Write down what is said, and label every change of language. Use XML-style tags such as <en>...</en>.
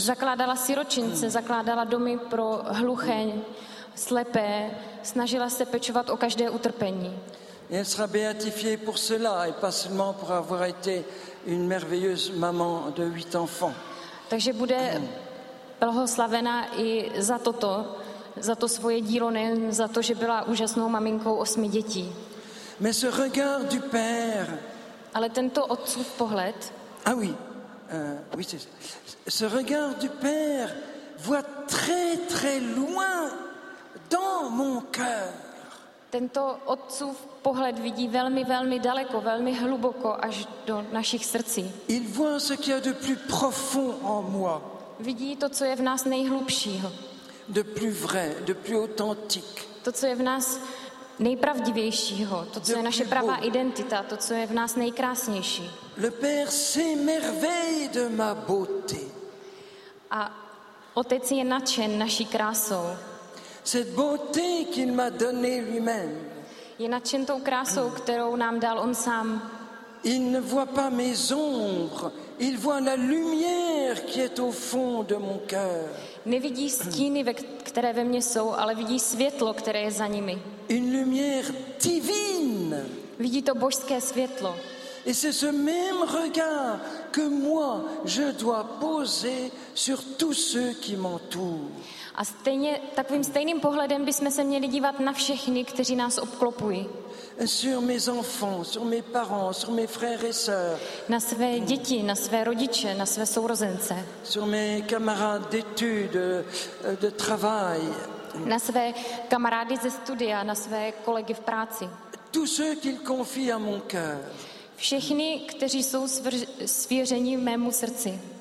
<cs>Zakládala siročince, zakládala domy pro hluché, slepé, snažila se pečovat o každé utrpení.</cs> <fr>Et elle sera béatifiée pour cela et pas seulement pour avoir été une merveilleuse maman de 8 enfants.</fr> <cs>Takže bude blahoslavena i za toto, za to svoje dílo, nejen za to, že byla úžasnou maminkou 8 dětí.</cs> <fr>Mais ce regard du père.</fr> <cs>Ale tento otcův pohled.</cs> <fr>Ah oui. Oui c'est ça. Ce regard du père voit très très loin dans mon cœur.</fr> <cs>Tento otcův pohled vidí velmi velmi daleko, velmi hluboko až do našich srdcí.</cs> <fr>Il voit ce qu'il y a de plus profond en moi.</fr> <cs>Vidí to, co je v nás nejhlubšího.</cs> <fr>De plus vrai, de plus authentique.</fr> <cs>To, co je v nás nejpravdivějšího, to, co je naše pravá identita, to, co je v nás nejkrásnější.</cs> <fr>Le père s'émerveille de ma beauté.</fr> <cs>A otec je nadšen naší krásou.</cs> <fr>Cette beauté qu'il m'a donnée lui-même.</fr> <cs>Je nadšen tou krásou, kterou nám dal on sám.</cs> <fr>Il ne voit pas mes ombres, il voit la lumière qui est au fond de mon cœur.</fr> <cs>Nevidí stíny, které ve mně jsou, ale vidí světlo, které je za nimi.</cs> <fr>Une lumière divine.</fr> <cs>Vidí to božské světlo.</cs> <fr>Et c'est ce même regard que moi je dois poser sur tous ceux qui m'entourent.</fr> <cs>A stejně, takovým stejným pohledem bychom se měli dívat na všechny, kteří nás obklopují.</cs> <fr>Sur mes enfants, sur mes parents, sur mes frères et sœurs.</fr> <cs>Na své děti, na své rodiče, na své sourozence.</cs> <fr>Sur mes camarades d'études, de travail.</fr> <cs>Na své kamarády ze studia, na své kolegy v práci.</cs> <fr>Tous ceux qu'il confie à mon cœur.</fr> <cs>Všichni, kteří jsou svěřeni mému srdci.</cs>